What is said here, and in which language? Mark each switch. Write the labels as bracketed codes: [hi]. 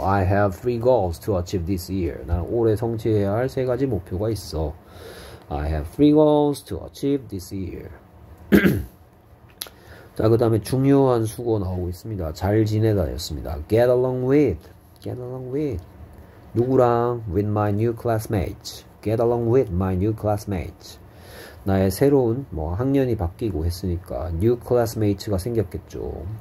[en] I have three goals to achieve this year. [ko] 나는 올해 성취해야 할세 가지 목표가 있어. [en] I have three goals to achieve this year. [ko] 자, 그 다음에 중요한 수고 나오고 있습니다. 잘 지내다였습니다. [en] Get along with. Get along with. [ko] 누구랑? [en] With my new classmates. Get along with my new classmates. [ko] 나의 새로운, 뭐, 학년이 바뀌고 했으니까, new classmates가 생겼겠죠.